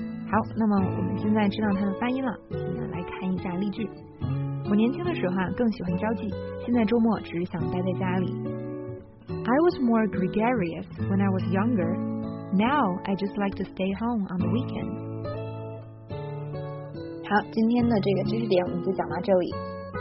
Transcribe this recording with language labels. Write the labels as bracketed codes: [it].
[zh] 好，那么我们现在知道它的发音了，我们来看一下例句。我年轻的时候更喜欢交际，现在周末只是想待在家里。 [en] I was more gregarious when I was younger. Now I just like to stay home on the weekend. [zh] 好，今天的这个知识点我们就讲到这里。